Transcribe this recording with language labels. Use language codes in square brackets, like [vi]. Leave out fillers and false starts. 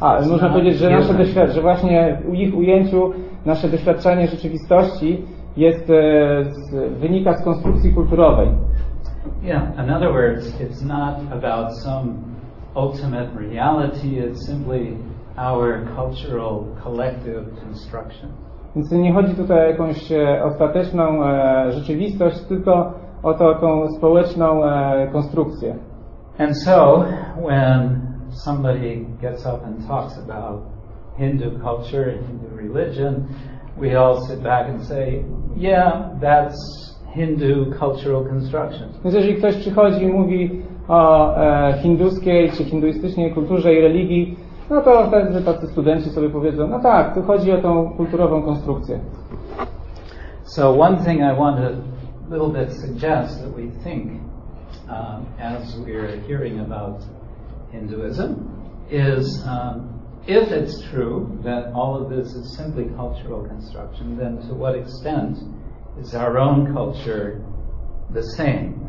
[pl] Można powiedzieć, że nasze doświadczenie, że właśnie w ich ujęciu nasze doświadczenie rzeczywistości jest wynika z konstrukcji kulturowej. [en] Yeah, in other words, it's not about some ultimate reality, it's simply our cultural collective construction. [pl] Więc nie chodzi tutaj o jakąś ostateczną rzeczywistość, tylko o to, o tą społeczną konstrukcję. [en] And so, when somebody gets up and talks about Hindu culture, Hindu religion, we all sit back and say, yeah, that's Hindu cultural construction. [pl] Więc jeżeli ktoś przychodzi i mówi o hinduskiej czy hinduistycznej kulturze i religii, no to wtedy tacy studenci sobie powiedzą, no tak, tu chodzi o tą kulturową konstrukcję. [en] So one thing I want to a little bit suggest that we think as we're hearing about Hinduism. is if it's true that all of this is simply cultural construction, then to what extent is our own culture the same?